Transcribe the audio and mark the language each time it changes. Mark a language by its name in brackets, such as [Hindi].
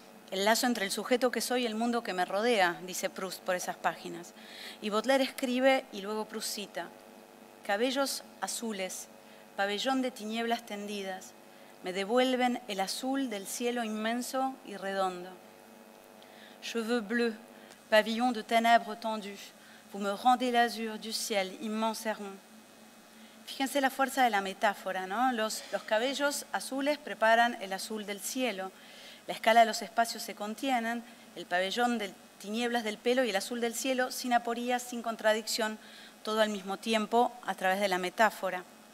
[Spanish] El lazo entre el sujeto que soy y el mundo que me rodea, dice Proust por esas páginas. Y Baudelaire escribe y luego Proust cita, cabellos azules, pabellón de tinieblas tendidas, me devuelven el azul del cielo inmenso y redondo. [French] Cheveux bleus, pavillon de ténèbres tendues, vous me rendez l'azur du ciel immense et rond. [Spanish] Fíjense la fuerza de la metáfora, ¿no? Los cabellos azules preparan el azul del cielo. La escala de los espacios se contienen, el pabellón de tinieblas del pelo y el azul del cielo, sin aporía, sin contradicción, todo al mismo tiempo a través de la metáfora.